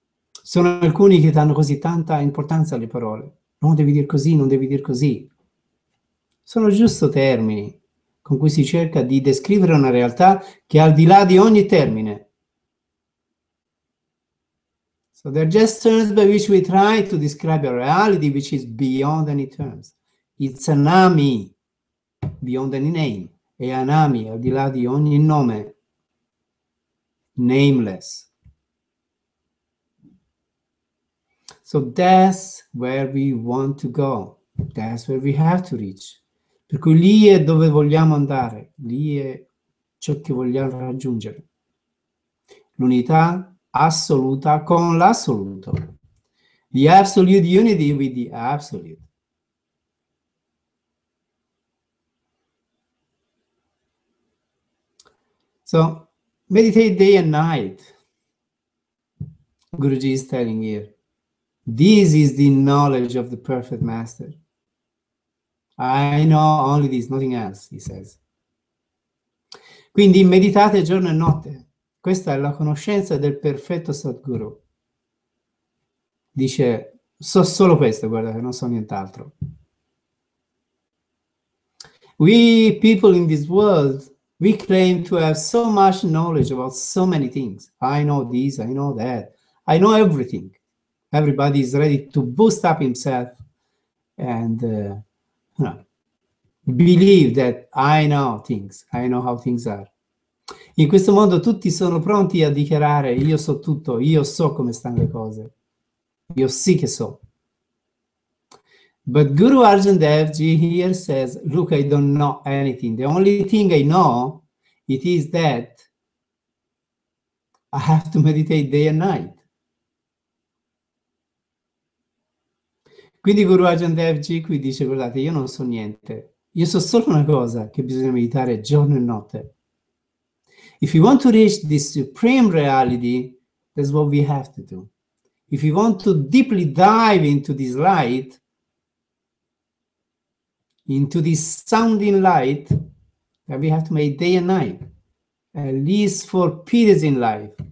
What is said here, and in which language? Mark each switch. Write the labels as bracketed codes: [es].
[it] Sono alcuni che danno così tanta importanza alle parole. Non devi dire così, non devi dire così. Sono giusto termini con cui si cerca di descrivere una realtà che è al di là di ogni termine. [en] So they're just terms by which we try to describe a reality which is beyond any terms. It's an ami, beyond any name. [it] È un ami, al di là di ogni nome. [en] Nameless. So that's where we want to go. That's where we have to reach. [it] Per cui lì è dove vogliamo andare, lì è ciò che vogliamo raggiungere. L'unità assoluta con l'assoluto. [en] The absolute unity with the absolute. So, meditate day and night. Guruji is telling here. This is the knowledge of the perfect master. I know only this, nothing else, he says. [it] Quindi meditate giorno e notte. Questa è la conoscenza del perfetto Sadguru. Dice, so solo questo, guardate, non so nient'altro. [en] We people in this world, we claim to have so much knowledge about so many things. I know this, I know that. I know everything. Everybody is ready to boost up himself and believe that I know things, I know how things are. [it] In questo modo tutti sono pronti a dichiarare io so tutto, io so come stanno le cose, io sì che so. [en] But Guru Arjan Dev Ji here says, look, I don't know anything. The only thing I know it is that I have to meditate day and night. [it] Quindi Guru Arjan Dev Ji qui dice, guardate, io non so niente, io so solo una cosa, che bisogna meditare giorno e notte. [en] If you want to reach this supreme reality, that's what we have to do. If you want to deeply dive into this light, into this sounding light, then we have to make day and night, at least for periods in life.